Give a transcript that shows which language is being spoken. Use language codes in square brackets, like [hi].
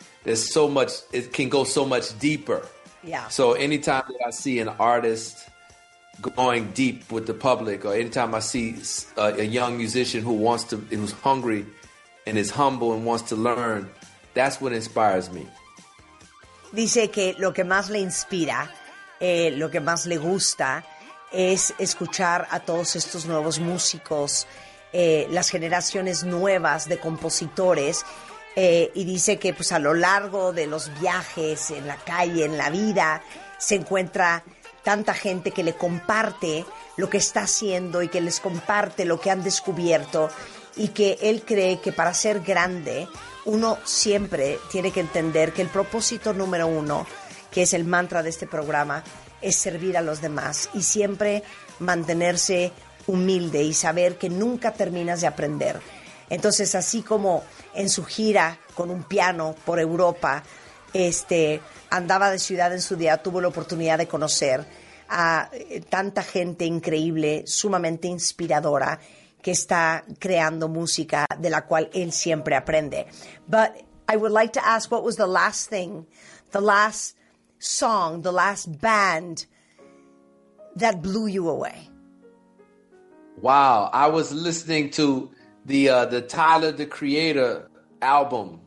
[en] There's so much, it can go so much deeper. Yeah. So anytime that I see an artist going deep with the public, or anytime I see a young musician who's hungry and is humble and wants to learn, that's what inspires me. [es] Dice que lo que más le inspira, lo que más le gusta, es escuchar a todos estos nuevos músicos, las generaciones nuevas de compositores, y dice que pues a lo largo de los viajes, en la calle, en la vida, se encuentra tanta gente que le comparte lo que está haciendo y que les comparte lo que han descubierto, y que él cree que para ser grande uno siempre tiene que entender que el propósito número uno, que es el mantra de este programa, es servir a los demás y siempre mantenerse humilde y saber que nunca terminas de aprender. Entonces, así como en su gira con un piano por Europa, andaba de ciudad en ciudad, tuvo la oportunidad de conocer a tanta gente increíble, sumamente inspiradora, que está creando música de la cual él siempre aprende. [en] But I would like to ask, what was the last thing, the last song, the last band that blew you away? Wow, I was listening to the Tyler the Creator album.